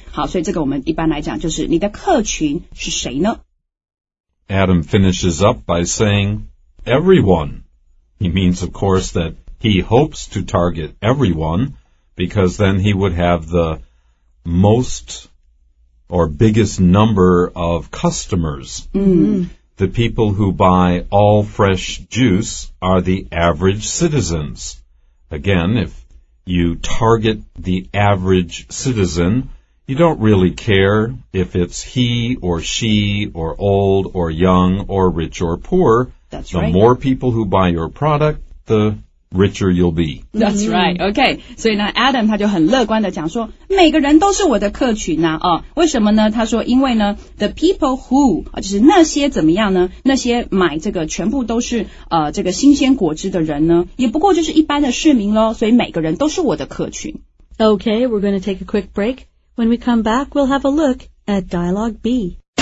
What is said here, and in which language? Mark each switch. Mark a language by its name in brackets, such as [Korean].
[Chinese] 好，所以这个我们一般来讲就是你的客群是谁呢？ [English] Adam finishes up by saying everyone. He means, of course, that he hopes to target everyone because then he would have the most or biggest number of customers. The people who buy all fresh juice are the average citizens. Again, if you target the average citizen, you don't really care if it's he or she or old or young or rich or poor. That's right. The more people who buy your product, the richer you'll be. That's right. Okay. [Chinese] 所以呢 ,Adam 他就很乐观地讲说每个人都是我的客群啊。哦、为什么呢他说因为呢 , [English] the people who, [Chinese] 就是那些怎么样呢那些买这个全部都是这个新鲜果汁的人呢也不过就是一般的市民咯所以每个人都是我的客群。 [English] Okay, we're going to take a quick break. When we come back, we'll have a look at Dialogue B.